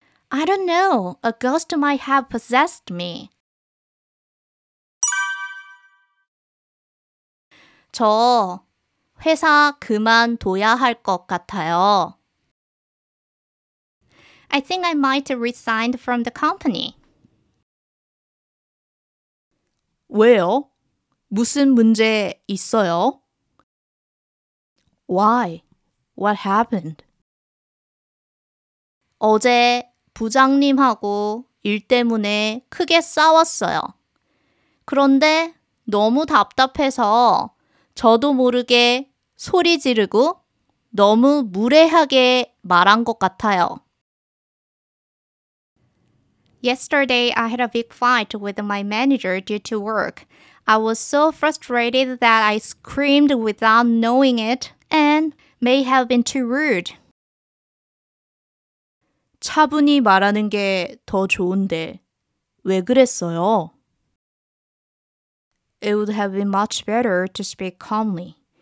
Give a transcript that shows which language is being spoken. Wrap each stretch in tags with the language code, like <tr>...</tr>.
<en>I don't know. A ghost might have possessed me.</en> <ko>저 회사 그만둬야 할 것 같아요.</ko> <en>I think I might resign from the company.</en> <ko>왜요? 무슨 문제 있어요?</ko> <en>Why? What happened?</en> <ko>어제 부장님하고 일 때문에 크게 싸웠어요. 그런데 너무 답답해서 저도 모르게 소리 지르고 너무 무례하게 말한 것 같아요.</ko> <en>Yesterday, I had a big fight with my manager due to work. I was so frustrated that I screamed without knowing it and may have been too rude.</en> <ko>차분히 말하는 게 더 좋은데 왜 그랬어요?</ko> <en>It would have been much better to speak calmly.</en>